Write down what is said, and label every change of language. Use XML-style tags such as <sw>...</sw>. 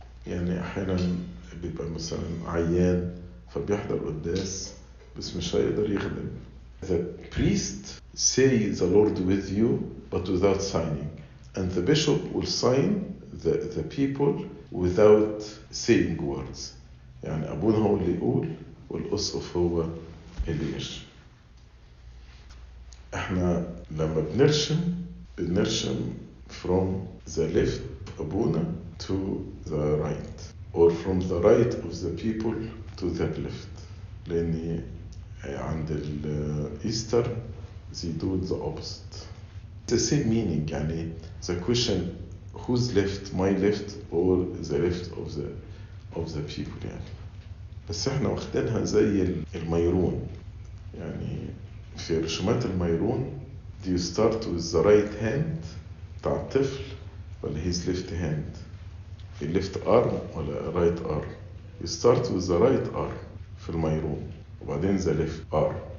<ar>يعني أحيانا بيبقى مثلا عيان فبيحضر القداس بس مش هيقدر يخدم.</ar> <en>The priest say the Lord with you but without signing. And the bishop will sign the people without saying words.</en> <ar>يعني أبونا هو اللي يقول والأسقف هو اللي يرشم. إحنا لما بنرشم بنرشم</ar> <en>from the left أبونا to the right or from the right of the people to the left.</en> <ar>لأن عند الإيستر</ar> <en>they do the opposite. It's the same meaning. يعني the question who's left, my left or the left of the people.</en> <ar>يعني بس احنا واخدينها زي الميرون. يعني في رشومات الميرون</ar> <en>do you start with the right hand</en> <ar>بتاع الطفل ولا</ar> <en>his left hand, the left arm ولا right arm. You start with the right arm في الميرون وبعدين the left arm.</en>